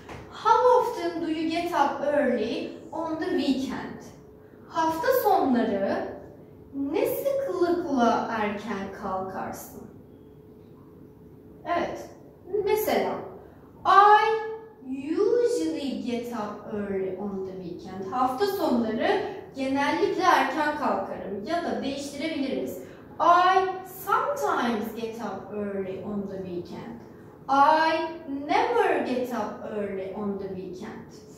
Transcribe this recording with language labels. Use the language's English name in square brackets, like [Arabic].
[English] How often do you get up early on the weekend? [Turkish] Hafta sonları ne sıklıkla erken kalkarsın? Evet, mesela [English] I usually get up early on the weekend. [Turkish] Hafta sonları genellikle erken kalkarım ya da değiştirebiliriz. [English] I sometimes get up early on the weekend. I never get up early on the weekend.